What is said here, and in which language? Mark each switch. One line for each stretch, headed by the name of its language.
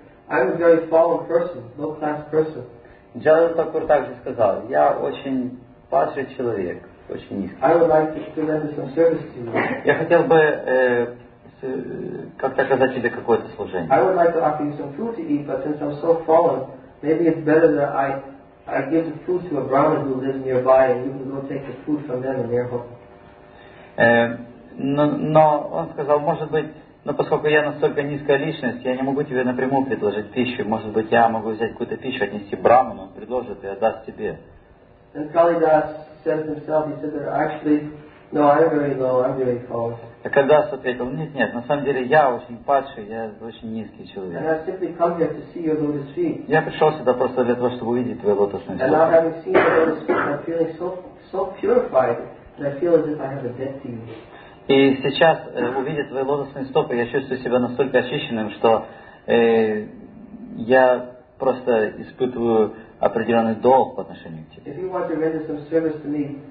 English: I'm a very fallen person, low-class person.
Russian: Джаду Такур также сказал, я очень падший человек, очень низкий.
English: I would like to present some service to you.
Russian: Я хотел бы как-то оказать тебе какое-то служение.
English: I would like to offer you some food to eat, but since I'm so fallen, maybe it's better that I give the food to a brahmin who lives nearby, and you can go take the food from them in their home.
Russian: Но он сказал, может быть, но поскольку я настолько низкая личность, я не могу тебе напрямую предложить пищу. Может быть, я могу взять какую-то пищу, отнести брахману, он предложит и отдаст тебе.
English: And Kalidas says himself, he said that actually, no, I'm very low, I'm very poor.
Russian: А Кальдас ответил, нет, на самом деле я очень падший, я очень низкий человек.
English: And I simply come here to see your lotus feet.
Russian: Я пришел сюда просто для того, чтобы увидеть твои лотосные ноги.
English: And now having seen your lotus feet, I'm feeling so purified that I feel as if I have a debt to you.
Russian: И сейчас, увидя твои лотосные стопы, я чувствую себя настолько очищенным, что я просто испытываю определенный долг по отношению к тебе.